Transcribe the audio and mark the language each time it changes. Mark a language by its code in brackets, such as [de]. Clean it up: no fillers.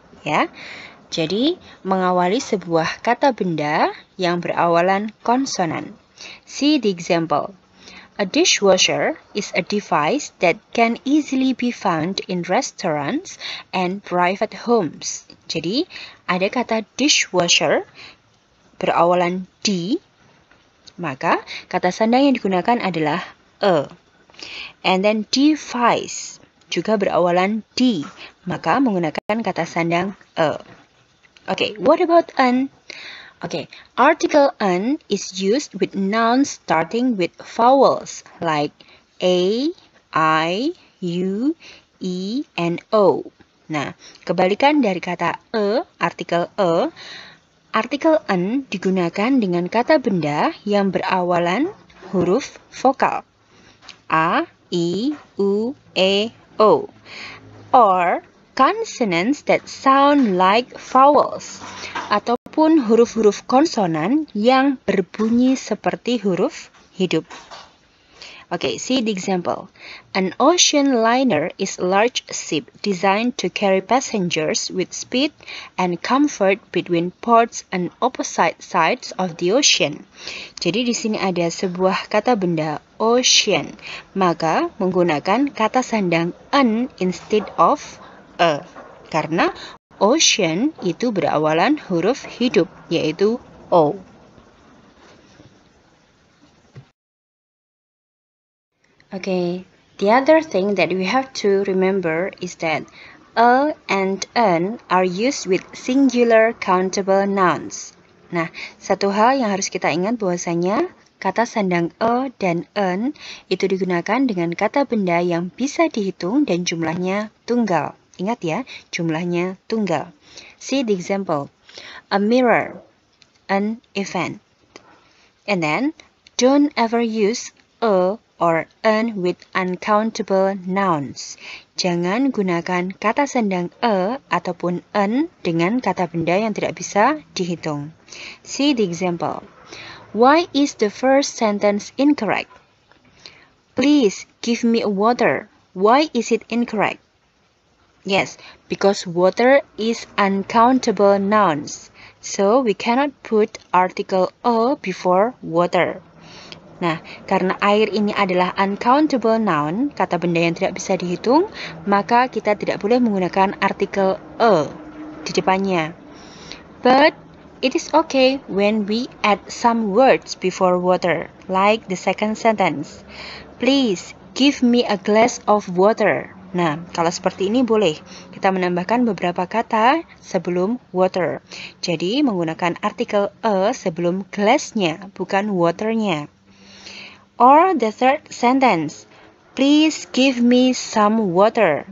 [id] Ya, jadi mengawali sebuah kata benda yang berawalan konsonan. [en] See the example. A dishwasher is a device that can easily be found in restaurants and private homes. [id] Jadi, ada kata dishwasher berawalan D, maka kata sandang yang digunakan adalah a. [en] And then [id] device juga berawalan D, maka menggunakan kata sandang a. [en] Okay, what about an? Okay, article an is used with nouns starting with vowels like a, i, u, e, and o. [id] Nah, kebalikan dari kata a, artikel a. Artikel an digunakan dengan kata benda yang berawalan huruf vokal. [en] A, I, U, E, O. Or consonants that sound like vowels. [id] Ataupun huruf-huruf konsonan yang berbunyi seperti huruf hidup. [en] Okay, see the example. An ocean liner is a large ship designed to carry passengers with speed and comfort between ports and opposite sides of the ocean. [id] Jadi di sini ada sebuah kata benda ocean, maka menggunakan kata sandang an [en] instead of [id] a, karena ocean itu berawalan huruf hidup, yaitu o. [en] Okay, the other thing that we have to remember is that a and an are used with singular countable nouns. [id] Nah, satu hal yang harus kita ingat bahwasanya kata sandang a dan an itu digunakan dengan kata benda yang bisa dihitung dan jumlahnya tunggal. Ingat ya, jumlahnya tunggal. [en] See the example. A mirror, an event. And then, don't ever use a or an with uncountable nouns. [id] Jangan gunakan kata sandang a ataupun an dengan kata benda yang tidak bisa dihitung. [en] See the example. Why is the first sentence incorrect? Please give me a water. Why is it incorrect? Yes, because water is uncountable nouns, so we cannot put article a before water. [id] Nah, karena air ini adalah uncountable noun, kata benda yang tidak bisa dihitung, maka kita tidak boleh menggunakan artikel a di depannya. [en] But it is okay when we add some words before water, like the second sentence. Please give me a glass of water. [id] Nah, kalau seperti ini boleh. Kita menambahkan beberapa kata sebelum water. Jadi, menggunakan artikel a sebelum glass-nya, bukan water-nya. [en] Or the third sentence. Please give me some water.